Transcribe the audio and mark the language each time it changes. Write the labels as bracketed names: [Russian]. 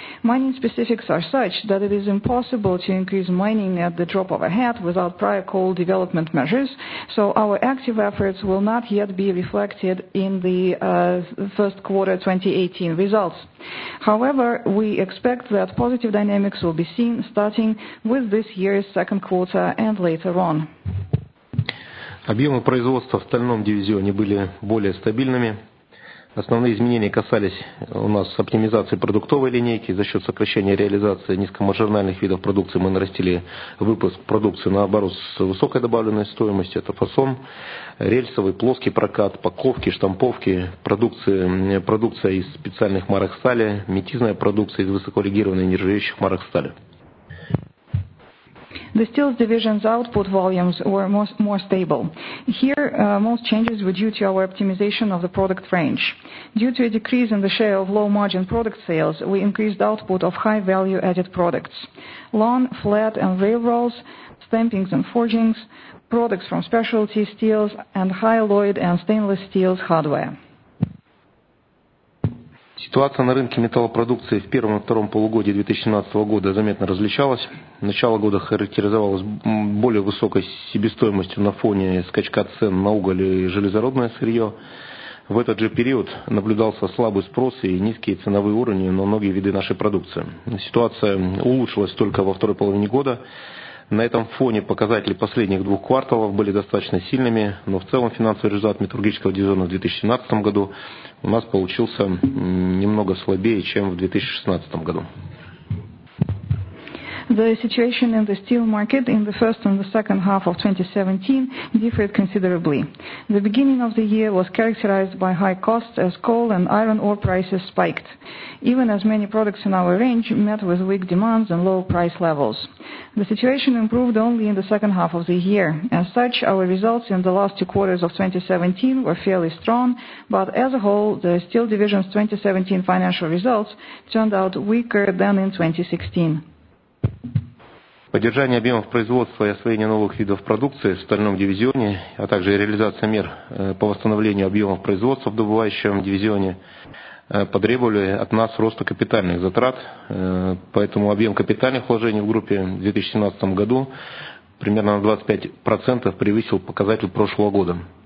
[English] Mining specifics are such that it is impossible to increase mining at the drop of a hat without prior coal development measures, so our active efforts will not yet be reflected in the first quarter 2018 results. However, we expect that positive dynamics will be seen starting with this year's second quarter and later on. [Russian] Объемы производства в стальном дивизионе были более стабильными. Основные изменения касались у нас оптимизации продуктовой линейки. За счет сокращения реализации низкомаржинальных видов продукции мы нарастили выпуск продукции наоборот с высокой добавленной стоимостью. Это фасон, рельсовый, плоский прокат, паковки, штамповки, продукция из специальных марок стали, метизная продукция из высоколегированных нержавеющих марок стали. [English] The steels division's output volumes were more stable. Here, most changes were due to our optimization of the product range. Due to a decrease in the share of low-margin product sales, we increased output of high-value-added products. Lawn, flat, and rail rolls, stampings and forgings, products from specialty steels, and high alloyed and stainless steels hardware. [Russian] Ситуация на рынке металлопродукции в первом и втором полугодии 2017 года заметно различалась. Начало года характеризовалось более высокой себестоимостью на фоне скачка цен на уголь и железородное сырье. В этот же период наблюдался слабый спрос и низкие ценовые уровни на многие виды нашей продукции. Ситуация улучшилась только во второй половине года. На этом фоне показатели последних двух кварталов были достаточно сильными, но в целом финансовый результат металлургического дивизиона в 2017 году у нас получился немного слабее, чем в 2016 году. [English] The situation in the steel market in the first and the second half of 2017 differed considerably. The beginning of the year was characterized by high costs as coal and iron ore prices spiked, even as many products in our range met with weak demands and low price levels. The situation improved only in the second half of the year. As such, our results in the last two quarters of 2017 were fairly strong, but as a whole, the steel division's 2017 financial results turned out weaker than in 2016. [Russian] Поддержание объемов производства и освоение новых видов продукции в стальном дивизионе, а также реализация мер по восстановлению объемов производства в добывающем дивизионе потребовали от нас роста капитальных затрат, поэтому объем капитальных вложений в группе в 2017 году примерно на 25% превысил показатель прошлого года.